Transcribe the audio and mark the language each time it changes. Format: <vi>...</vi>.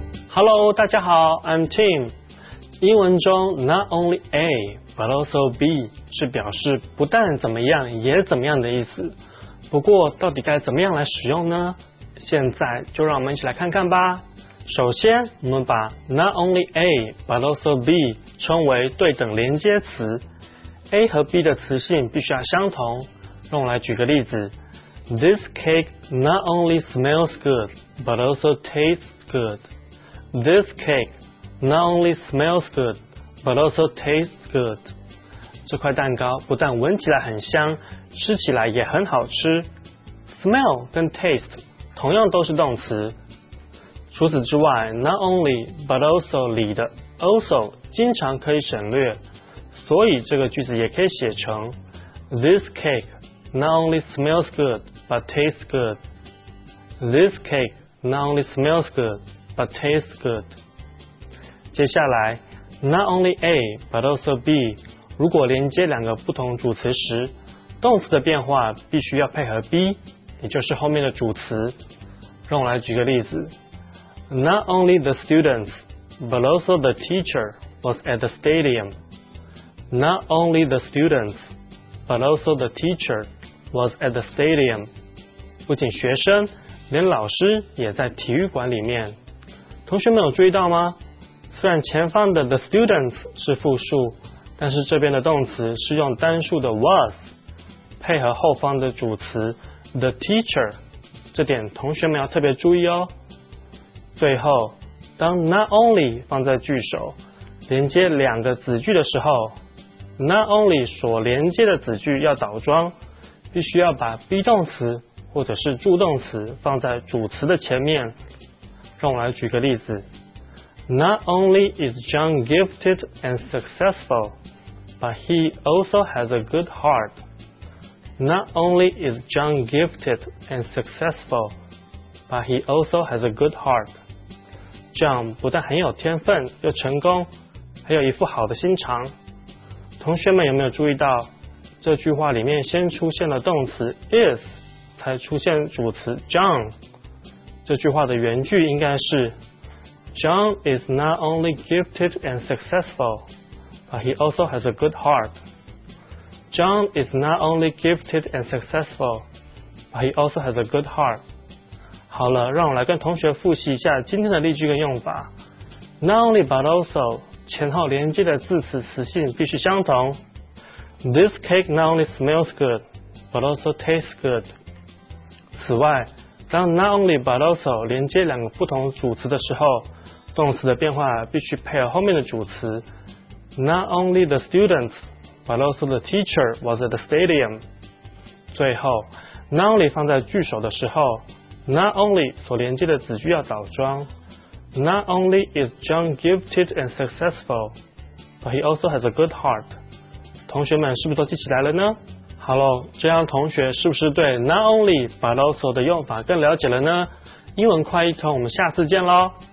<en>Hello,</en> <zh>大家好,</zh> <en>I'm Tim.</en> <zh>英文中 not only A but also B 是表示不但怎么样也怎么样的意思。不过到底该怎么样来使用呢？现在就让我们一起来看看吧。首先，我们把 not only A but also B 称为对等连接词。A 和 B 的词性必须要相同。用来举个例子</zh> <en>This cake not only smells good, but also tastes good. This cake not only smells good, but also tastes good.</en> <zh>这块蛋糕不但闻起来很香，吃起来也很好吃。 Smell 跟 taste 同样都是动词。除此之外 ，not only but also 里的 also 经常可以省略，所以这个句子也可以写成</zh> <en>This cake not only smells good but tastes good. This cake not only smells good but tastes good.</en> <zh>接下来 ，not only A but also B， 如果连接两个不同主词时，动词的变化必须要配合 B， 也就是后面的主词。让我来举个例子。</zh> <en>Not only the students, but also the teacher was at the stadium. Not only the students, but also the teacher was at the stadium.</en> <zh>不仅学生，连老师也在体育馆里面。同学们有注意到吗？虽然前方的 the students 是复数，但是这边的动词是用单数的 was， 配合后方的主词 the teacher， 这点同学们要特别注意哦。最后，当 not only 放在句首，连接两个子句的时候 ，not only 所连接的子句要倒装，必须要把 be 动词或者是助动词放在主词的前面。让我来举个例子</zh> <en>：Not only is John gifted and successful, but he also has a good heart. Not only is John gifted and successful, but he also has a good heart.</en> <zh>John 不但很有天分又成功，还有一副好的心肠。同学们有没有注意到，这句话里面先出现了动词 is， 才出现主词 John。这句话的原句应该是</zh> <en>John is not only gifted and successful but he also has a good heart. John is not only gifted and successful but he also has a good heart。</en> <zh>好了，让我来跟同学复习一下今天的例句跟用法。 Not only but also 前后连接的字词词性必须相同。</zh> <en>This cake not only smells good but also tastes good。</en> <zh>此外，当 not only but also 连接两个不同主词的时候，动词的变化必须配合后面的主词。</zh> <en>Not only the students but also the teacher was at the stadium。</en> <zh>最后， not only 放在句首的时候，Not only 所连接的子句要倒装。</zh> <en>Not only is John gifted and successful, but he also has a good heart.</en> <zh>同学们是不是都记起来了呢？好了，这样同学是不是对 not only but also 的用法更了解了呢？英文快一通，我们下次见喽。</zh>